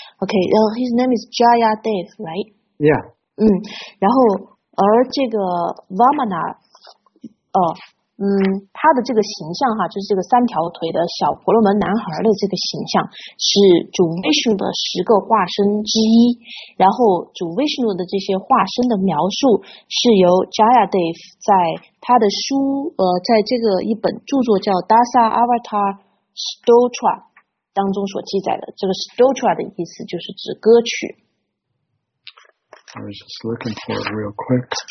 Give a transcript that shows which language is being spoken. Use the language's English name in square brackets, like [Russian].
[English] Okay, his name is Jayadev, right? Yeah. [Chinese] 然后而这个 Vamana, 他的这个形象哈，就是这个三条腿的小婆罗门男孩的这个形象，是主 Vishnu 的十个化身之一。然后主 Vishnu 的这些化身的描述，是由 Jayadev 在他的书在这个一本著作叫《Dasa Avatar Stotra》当中所记载的。这个 Stotra 的意思就是指歌曲。 [English] I was just looking for it real quick.